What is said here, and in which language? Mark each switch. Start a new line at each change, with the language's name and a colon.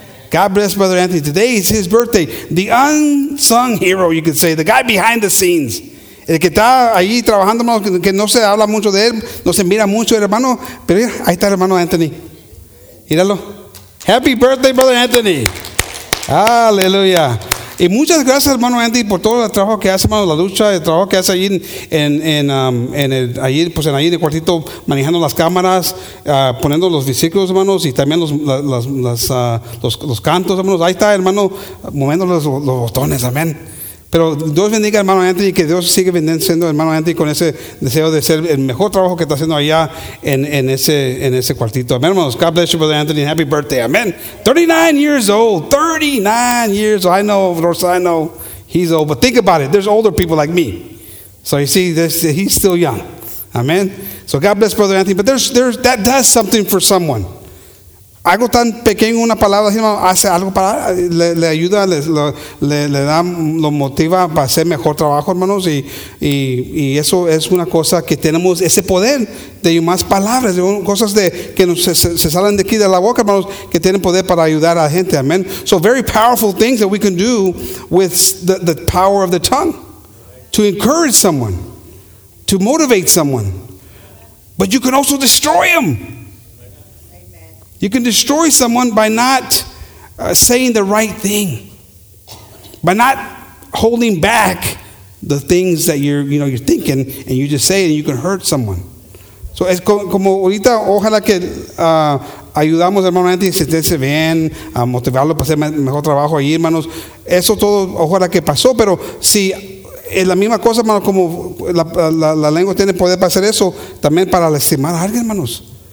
English: God bless brother Anthony. Today is his birthday. The unsung hero, you could say. The guy behind the scenes.
Spanish: El que está ahí trabajando, que no se habla mucho de él, no se mira mucho el hermano, pero mira, ahí está el hermano Anthony. Míralo.
English: Happy birthday, brother Anthony. Aleluya.
Spanish: Y muchas gracias, hermano Andy, por todo el trabajo que hace, hermano, la lucha, el trabajo que hace allí en el cuartito, manejando las cámaras, poniendo los versículos, hermanos, y también los cantos, hermanos. Ahí está, hermano, moviendo los botones, amén. Pero Dios bendiga, hermano Andy, que Dios sigue bendiciendo, hermano Andy, con ese deseo de ser el mejor trabajo que está haciendo allá en ese cuartito. Amén, hermanos.
English: God bless you, brother Anthony. Happy birthday. Amén. 39 years old. 39 years old. I know, of course, I know he's old. But think about it. There's older people like me. So you see, he's still young. Amén. So God bless, brother Anthony. But there's that does something for someone.
Spanish: Algo tan pequeño, una palabra, hace algo para, le ayuda, le da, lo motiva para hacer mejor trabajo, hermanos, y eso es una cosa que tenemos, ese poder de más palabras, de cosas que se salen de aquí de la boca, hermanos, que tienen poder para ayudar a la gente, amén.
English: So very powerful things that we can do with the power of the tongue, to encourage someone, to motivate someone, but you can also destroy them. You can destroy someone by not saying the right thing, by not holding back the things that you're thinking, and you just say it, and you can hurt someone.
Spanish: So es como ahorita, ojalá que ayudamos hermano Andy, se siente bien, a motivarlo para hacer mejor trabajo ahí, hermanos. Eso todo, ojalá que pasó, pero si es la misma cosa, hermano, como la lengua tiene poder para hacer eso, también para lastimar a alguien, hermanos.